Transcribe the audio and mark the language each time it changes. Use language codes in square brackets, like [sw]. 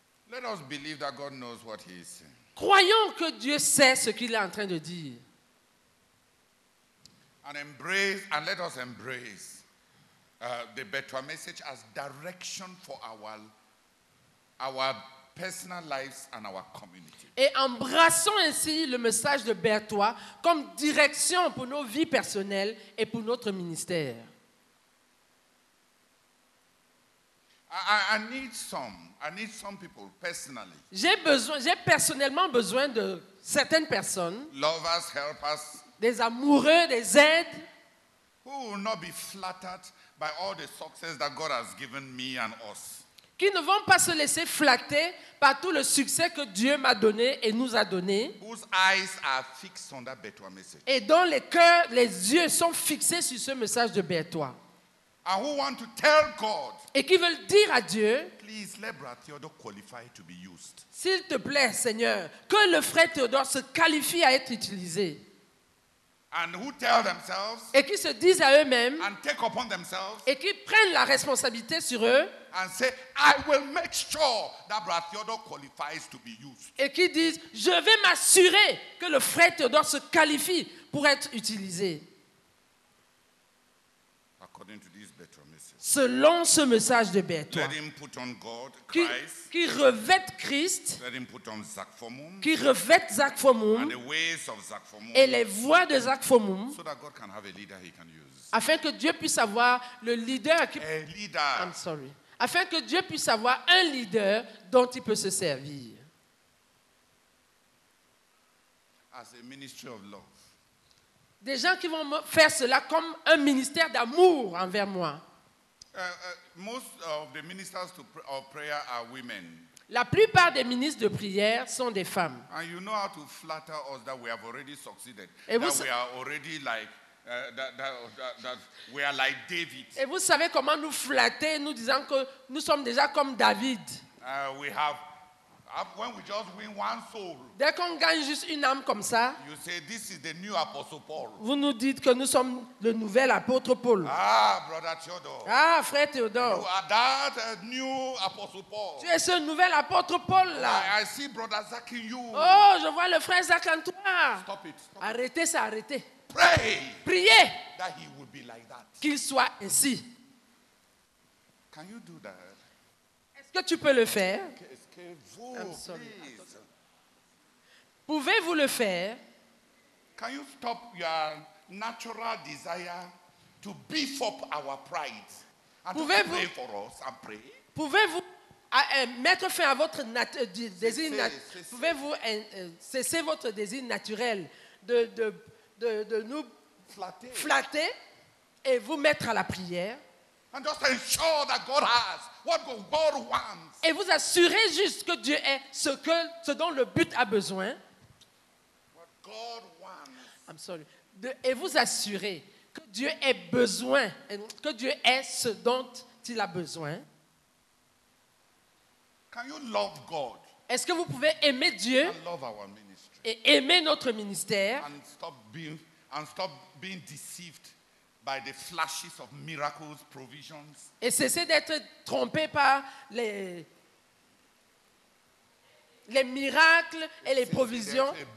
[en] Let us believe that God knows what he is saying. [fr] Croyons que Dieu sait ce qu'il est en train de dire. [en] And embrace, and let us embrace the Bertois message as direction for our personal lives and our community. [fr] Et embrassons ainsi le message de Bertois comme direction pour nos vies personnelles et pour notre ministère. [en] I need some people personally. [fr] J'ai personnellement besoin de certaines personnes. [en] Lovers, help us. [fr] Des amoureux, des aides. [en] Who will not be flattered by all the success that God has given me and us? [fr] Qui ne vont pas se laisser flatter par tout le succès que Dieu m'a donné et nous a donné. [en] Whose eyes are fixed on that Bertois message. [fr] Et dont les cœurs, les yeux sont fixés sur ce message de Bertois. [en] And who want to tell God, [fr] et qui veulent dire à Dieu, [en] please let Brother Theodore qualify to be used. [fr] S'il te plaît, Seigneur, que le frère Théodore se qualifie à être utilisé. [en] And who tell themselves, [fr] et qui se disent à eux-mêmes, [en] and take upon themselves, [fr] et qui prennent la responsabilité sur eux, [en] and say, I will make sure that Brother Theodore qualifies to be used. [fr] Et qui disent, je vais m'assurer que le frère Théodore se qualifie pour être utilisé. [en] According to this better message. [fr] Selon ce message de Bertois. [en] Let him put on God, Christ. [fr] Qui revête Christ. [en] Let him put on Zach Fomum. [fr] Qui revête Zach Fomum. [en] And the ways of Zach Fomum. [fr] Et les voies de Zach Fomum. [en] So that God can have a leader he can use. [fr] Afin que Dieu puisse avoir le leader qui. [en] A leader. I'm sorry. [fr] Afin que Dieu puisse avoir un leader dont il peut se servir. [en] As a ministry of love. [fr] Des gens qui vont faire cela comme un ministère d'amour envers moi. [en] Most of the ministers of prayer are women. [fr] La plupart des ministres de prière sont des femmes. [en] And you know how to flatter us that we have already succeeded. That we are like David. [fr] Et vous savez comment nous flatter, nous disant que nous sommes déjà comme David. [en] We have When we just win one soul, [fr] dès qu'on gagne juste une âme comme ça, [en] you say, this is the new Apostle Paul. [fr] Vous nous dites que nous sommes le nouvel apôtre Paul. [en] Ah, brother Theodore. [fr] Ah, frère Théodore. [en] You are that new Apostle Paul. [fr] Tu es ce nouvel apôtre Paul là. [en] I see brother Zach in you. [fr] Oh, je vois le frère Zach en toi. [en] Stop it. [fr] Arrêtez ça, arrêtez. [en] Pray. [fr] Priez. [en] That he will be like that. [fr] Qu'il soit ainsi. [en] Can you do that? [fr] Est-ce que tu peux le faire? Pouvez-vous le faire? [en] Can you stop your natural desire to beef up our pride and to pray for us and pray? [fr] Pouvez-vous mettre fin à votre désir naturel? Pouvez-vous cesser votre désir naturel de nous flatter et vous mettre à la prière? [en] And just ensure that God has what God wants. [fr] Et vous assurez juste que Dieu est ce dont le but a besoin. [en] What God wants. I'm sorry. [fr] Et vous assurez que Dieu ait besoin, que Dieu est ce dont il a besoin. [en] Can you love God? [fr] Est-ce que vous pouvez aimer Dieu and love our ministry? Et aimer notre ministère? [en] And stop being deceived by the flashes of miracles, provisions. [fr] Et cessez d'être trompé par les miracles et les provisions.